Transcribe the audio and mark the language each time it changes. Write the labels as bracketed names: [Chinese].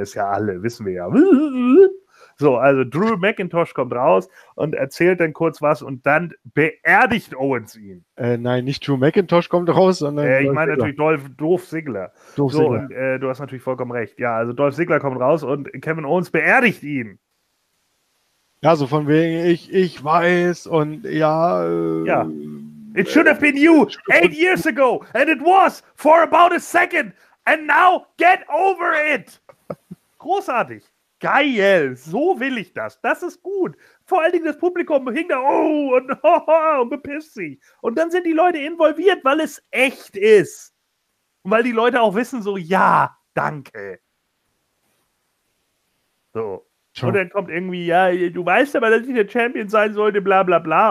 [German] Ist ja alle, wissen wir ja. So, also Drew McIntosh kommt raus und erzählt dann kurz was und dann beerdigt Owens ihn. Nein, nicht Drew McIntosh kommt raus, sondern Ich meine natürlich Dolph Ziggler. Du hast natürlich vollkommen recht. Ja, also Dolph Ziggler kommt raus und Kevin Owens beerdigt ihn. Ja, so von wegen, ich weiß und ja. Ja. [English] It should have been you 8 years ago and it was for about a second and now get over it. [German] Großartig. Geil. So will ich das. Das ist gut. Vor allen Dingen das Publikum hing da und bepisst sich. Und dann sind die Leute involviert, weil es echt ist. Und weil die Leute auch wissen so, ja, danke. So. Ciao. Und dann kommt irgendwie, ja, du weißt aber, dass ich der Champion sein sollte, bla bla bla.